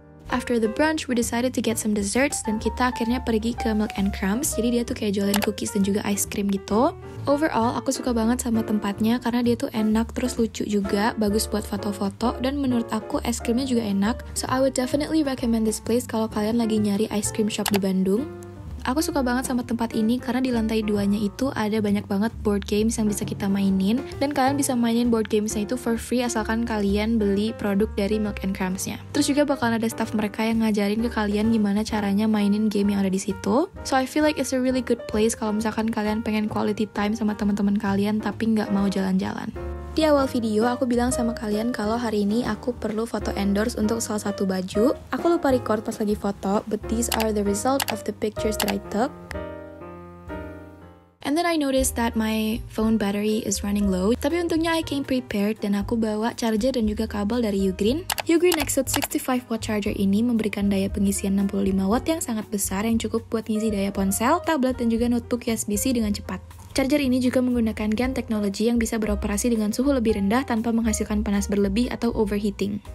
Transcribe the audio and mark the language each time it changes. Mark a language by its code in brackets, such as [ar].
[en] After the brunch, we decided to get some desserts [id] dan kita akhirnya pergi ke [en] Milk and Crumbs. [id] Jadi dia tuh kayak jualin cookies dan juga ice cream gitu. Overall, aku suka banget sama tempatnya karena dia tuh enak, terus lucu juga, bagus buat foto-foto, dan menurut aku es krimnya juga enak. [en] So I would definitely recommend this place [id] kalau kalian lagi nyari ice cream shop di Bandung. Aku suka banget sama tempat ini karena di lantai 2-nya itu ada banyak banget board games yang bisa kita mainin, dan kalian bisa mainin board games-nya itu for free asalkan kalian beli produk dari Milk and Crumbs-nya. Terus juga bakalan ada staff mereka yang ngajarin ke kalian gimana caranya mainin game yang ada di situ. [en] So I feel like it's a really good place [id] kalau misalkan kalian pengen quality time sama teman-teman kalian tapi nggak mau jalan-jalan. Di awal video, aku bilang sama kalian kalau hari ini aku perlu foto endorse untuk salah satu baju. Aku lupa record pas lagi foto, [en] but these are the result of the pictures that I took. And then I noticed that my phone battery is running low. [id] Tapi untungnya [en] I came prepared [id] dan aku bawa charger dan juga kabel dari Ugreen. Ugreen Nexus 65W charger ini memberikan daya pengisian 65W yang sangat besar yang cukup buat ngisi daya ponsel, tablet, dan juga notebook USB-C dengan cepat. Charger ini juga menggunakan GaN teknologi yang bisa beroperasi dengan suhu lebih rendah tanpa menghasilkan panas berlebih atau overheating.